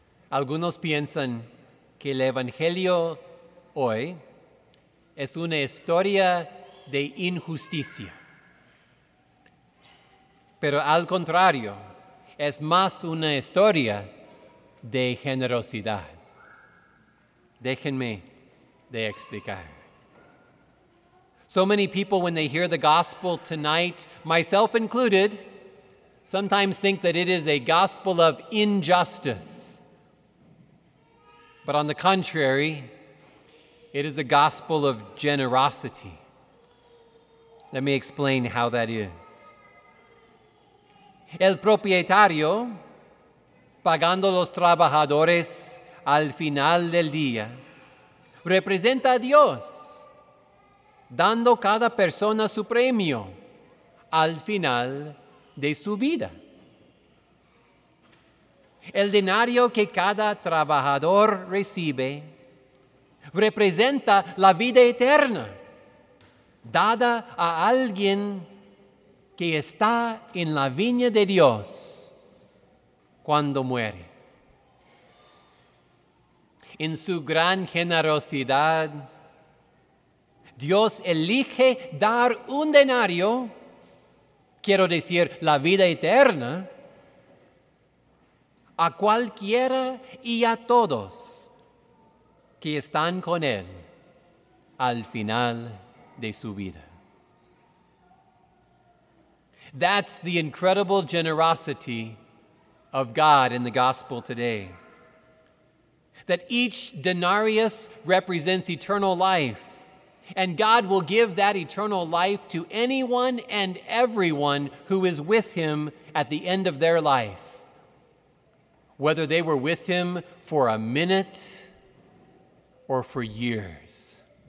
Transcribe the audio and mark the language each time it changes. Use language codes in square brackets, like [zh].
[es] Algunos piensan que el Evangelio hoy es una historia de injusticia. Pero al contrario, es más una historia de generosidad. Déjenme de explicar. [en] So many people, when they hear the gospel tonight, myself included, sometimes think that it is a gospel of injustice. But on the contrary, it is a gospel of generosity. Let me explain how that is. [es] El propietario, pagando los trabajadores al final del día, representa a Dios, dando cada persona su premio al final de su vida. El denario que cada trabajador recibe representa la vida eterna dada a alguien que está en la viña de Dios cuando muere. En su gran generosidad, Dios elige dar un denario, quiero decir, la vida eterna, a cualquiera y a todos que están con él al final de su vida. [en] That's the incredible generosity of God in the gospel today. That each denarius represents eternal life, and God will give that eternal life to anyone and everyone who is with him at the end of their life, whether they were with him for a minute or for years.